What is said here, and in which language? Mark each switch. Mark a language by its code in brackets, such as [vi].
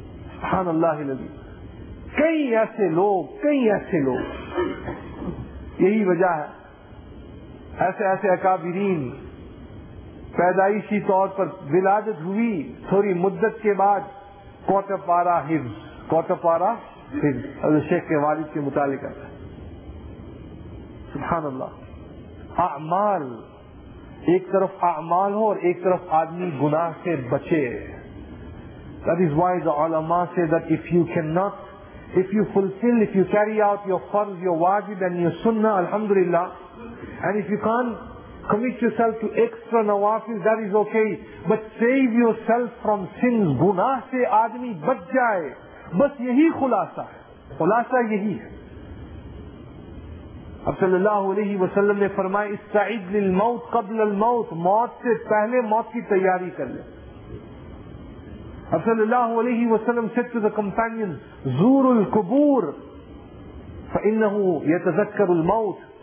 [ur] سبحان اللہ العظیم. کئی ایسے لوگ یہی وجہ ہے ایسے اکابرین پیدائشی طور پر ولادت ہوئی تھوڑی مدت کے بعد کوٹپارا حفظ حضرت شیخ کے والد کے متعلقہ. سبحان اللہ. اعمال ایک طرف اعمال ہو اور ایک طرف آدمی گناہ سے بچے. [en] That is why the ulama say that if you carry out your farz, your wajib and your sunnah, alhamdulillah, and if you can't commit yourself to extra nawafil, that is okay, but save yourself from sins. [ur] گناہ سے آدمی بچ جائے, بس یہی خلاصہ یہی ہے. اب صلی اللہ علیہ وسلم نے فرمایا [ar] استعد للموت قبل الموت, [ur] موت سے پہلے موت کی تیاری کر لیں. اب صلی اللہ علیہ وسلم [en] said to the companion [ar] زور القبور فإنه يتذكر الموت.